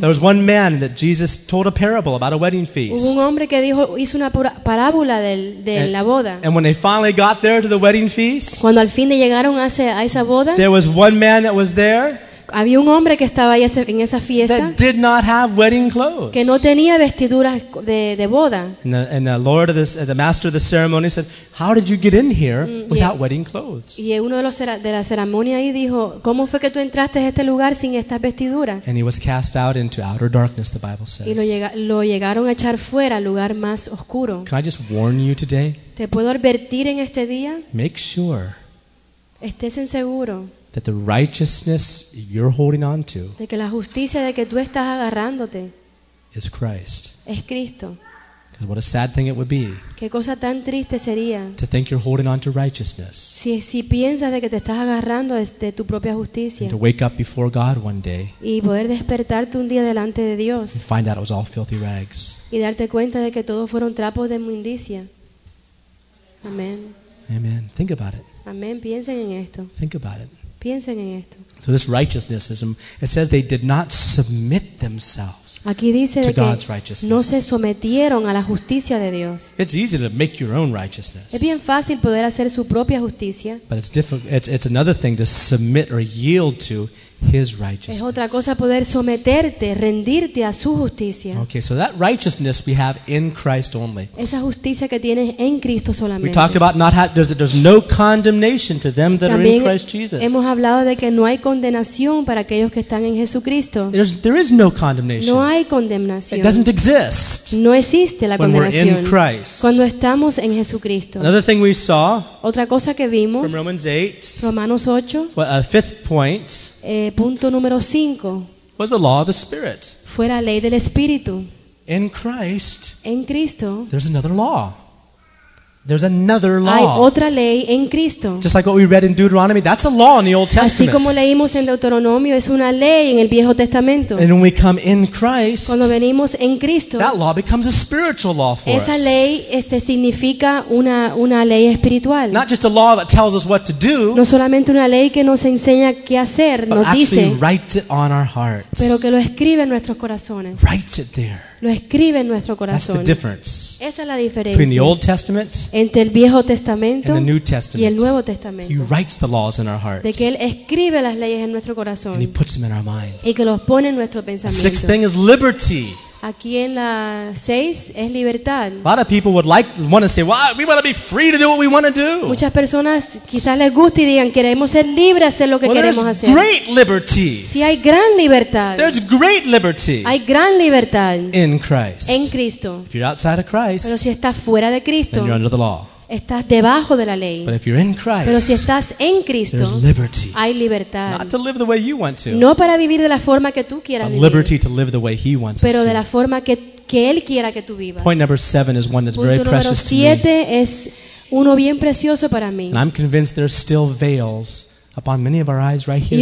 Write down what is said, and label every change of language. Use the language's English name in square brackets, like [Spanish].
[English] There was one man that Jesus told a parable about a wedding feast. [Spanish] Hubo un hombre que dijo, hizo una parábola de la boda. [English] And when they finally got there to the wedding feast. [Spanish] Cuando al fin le llegaron a esa boda. [English] There was one man that was there. [Spanish] Había un hombre que estaba ahí en esa fiesta. [English] That did not have wedding clothes. [Spanish] Que no tenía vestiduras de boda. [English] And the Lord of this, the master of the ceremony said, "How did you get in here without wedding clothes?" [Spanish] Y uno de los de la ceremonia ahí dijo, "¿Cómo fue que tú entraste a este lugar sin estas vestiduras?" [English] And he was cast out into outer darkness, the Bible says. [Spanish] Y lo llegaron a echar fuera al lugar más oscuro. [English] Can I just warn you today? [Spanish] ¿Te puedo advertir en este día? [English] Make sure. [Spanish] Estés en seguro. [English] That the righteousness you're holding on to, [Spanish] de que la justicia de que tú estás agarrándote, [English] is Christ. [Spanish] Es Cristo. [English] Because what a sad thing it would be. [Spanish] Qué cosa tan triste sería. [English] To think you're holding on to righteousness. [Spanish] Si piensas de que te estás agarrando de tu propia justicia. [English] And to wake up before God one day. [Spanish] Y poder despertarte un día delante de Dios. [English] And find out it was all filthy rags. [Spanish] Y darte cuenta de que todos fueron trapos de inmundicia. Amen. [English] Amen. Think about it. [Spanish] Amen. Piensen en esto. [English] Think about it. [Spanish] Piensen en esto. [English] So this righteousness is, it says they did not submit themselves. [Spanish] Aquí dice [English] to God's righteousness. [Spanish] No se sometieron a la justicia de Dios. [English] It's easy to make your own righteousness. [Spanish] Es bien fácil poder hacer su propia justicia. [English] But it's another thing to submit or yield to His righteousness. [Spanish] Es otra cosa poder someterte, rendirte a su justicia. [English] Okay, so that righteousness we have in Christ only. [Spanish] Esa justicia que tienes en Cristo solamente. [English] We talked about not have, there's no condemnation to them that [Spanish] también [English] are in Christ Jesus. [Spanish] Hemos hablado de que no hay condenación para aquellos que están en Jesucristo. [English] There is no condemnation. [Spanish] No hay condenación. [English] It doesn't exist. [Spanish] No existe la condenación. [English] When we're in Christ. [Spanish] Cuando estamos en Jesucristo. [English] Another thing we saw. [Spanish] Otra cosa que vimos. [English] From Romans 8. [Spanish] Romanos 8. [English] Well, a fifth point. [Spanish] Punto número 5. [English] Was the law of the Spirit. [Spanish] Fue la ley del Espíritu. [English] In Christ. [Spanish] En Cristo. [English] There's another law. There's another law. [Spanish] Hay otra ley en Cristo. [English] Just like what we read in Deuteronomy, that's a law in the Old Testament. [Spanish] Así como leímos en Deuteronomio, es una ley en el Viejo Testamento. [English] And when we come in Christ, [Spanish] cuando venimos en Cristo, [English] that law becomes a spiritual law for [Spanish] esa [English] us. [Spanish] Esa ley significa una ley espiritual. [English] Not just a law that tells us what to do. [Spanish] No solamente una ley que nos enseña qué hacer, nos dice. [English] But actually writes it on our hearts. [Spanish] Pero que lo escribe en nuestros corazones. [English] Writes it there. [Spanish] Lo escribe en nuestro corazón. [English] That's the difference. [Spanish] Esa es la diferencia. [English] Between the Old Testament [Spanish] entre el Viejo Testamento [English] and the New Testament. [Spanish] Y el Nuevo Testamento. [English] He writes the laws in our hearts. [Spanish] De que él escribe las leyes en nuestro corazón. [English] And he puts them in our mind. [Spanish] Y que los pone en nuestro pensamiento. [English] The sixth thing is liberty. [Spanish] Aquí en la 6 es libertad. [English] A lot of people would like want to say, "Well, we want to be free to do what we want to do." [Spanish] Muchas personas quizás les guste y digan, "Queremos ser libres de hacer lo que queremos hacer." [English] Great liberty. [Spanish] Sí, hay gran libertad. [English] There's great liberty. [Spanish] Hay gran libertad. [English] In Christ. [Spanish] En Cristo. [English] If you're outside of Christ. [Spanish] Pero si estás fuera de Cristo. [English] Then you're under the law. [Spanish] Estás debajo de la ley. [English] But if you're in Christ, [Spanish] pero si estás en Cristo, [English] there's liberty. [Spanish] Hay libertad. [English] Not to live the way you want to, [Spanish] no para vivir de la forma que tú quieras vivir. [English] But liberty to live the way He wants [Spanish] pero [English] us [Spanish] de [English] to. [Spanish] La forma que Él quiera que tú vivas. [English] Point number 7 is one that's very precious to me. [Spanish] Punto número 7 es uno bien precioso para mí. [English] And I'm convinced there's still veils upon many of our eyes right here today.